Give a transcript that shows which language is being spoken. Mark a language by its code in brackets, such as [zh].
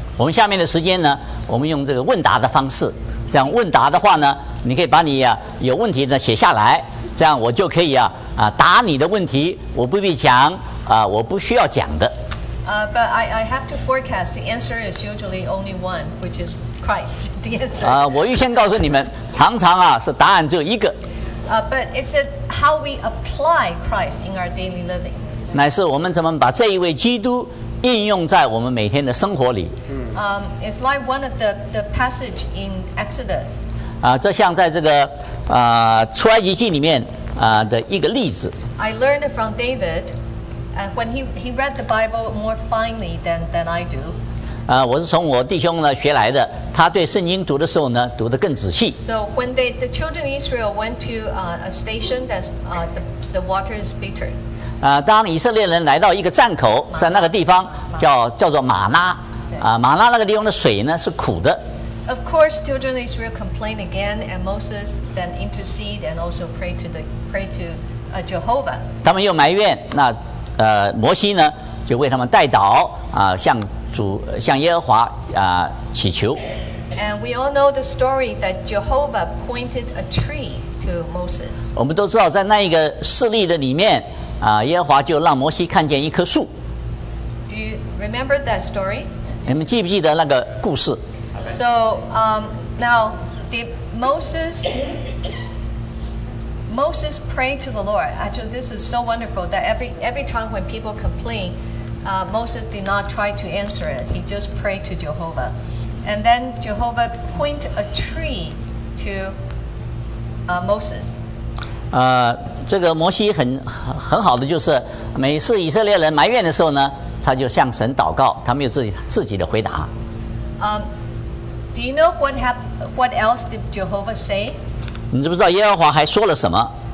[zh] 我们下面的时间呢，我们用这个问答的方式。这样问答的话呢，你可以把你有问题呢写下来，这样我就可以答你的问题。我不必讲我不需要讲的。 [en] But I have to forecast. The answer is usually only one, which is Christ. The answer. [zh] 我预先告诉你们，常常是答案只有一个。 [en] But is it how we apply Christ in our daily living? [zh] 乃是我们怎么把这一位基督应用在我们每天的生活里。 [en] It's like one of the passage in Exodus. [zh] 这像在这个出埃及记里面的一个例子。 [en] I learned it from David. When he read the Bible more finely than I do. [zh] 我是从我弟兄呢学来的。他对圣经读的时候呢，读得更仔细。 [en] So when the children of Israel went to a station that the water is bitter. [zh] 当以色列人来到一个站口，在那个地方叫做马拉。马拉那个地方的水呢是苦的。 [en] Of course, children of Israel complained again, and Moses then intercede and also pray to Jehovah. [zh] 他们又埋怨那。摩西呢就为他们代祷向耶和华祈求。 [en] And we all know the story that Jehovah pointed a tree to Moses. [zh] 我们都知道在那一个事例的里面耶和华就让摩西看见一棵树。 [en] Do you remember that story? [zh] 你们记不记得那个故事？ [en] So now, did Moses, Moses prayed to the Lord. Actually, this is so wonderful that every time when people complain, Moses did not try to answer it. He just prayed to Jehovah. And then Jehovah point a tree to Moses. [zh] 这个摩西很好的就是每次以色列人埋怨的时候呢他就向神祷告他没有自己的回答。 [en] Do you know what else did Jehovah say? [zh] 你知不知道耶和华还说了什么